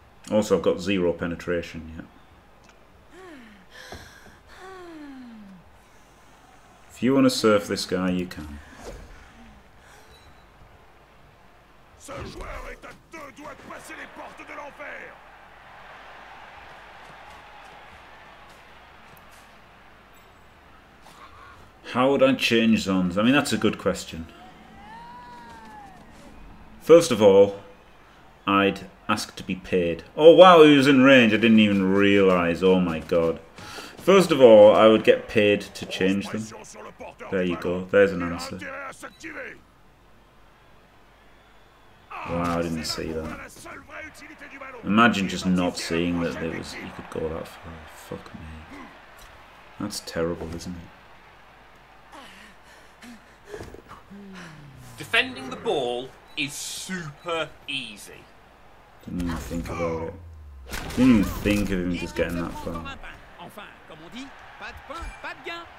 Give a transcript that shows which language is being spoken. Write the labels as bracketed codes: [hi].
[en] Also, I've got zero penetration yet. you want to surf this guy, you can. [fr] Ce joueur est à deux doigts de passer les portes de l'enfer. [en] How would I change zones? I mean, that's a good question. First of all, I'd ask to be paid. Oh, wow, he was in range. I didn't even realise. Oh, my God. First of all, I would get paid to change them. There you go. There's an answer. Wow, I didn't see that. Imagine just not seeing that there was, you could go that far. Fuck me. That's terrible, isn't it? Defending the ball is super easy. Didn't even think about it. Didn't even think of him just getting that far. [fr] Enfin, comme on dit, pas de pain, pas de gain.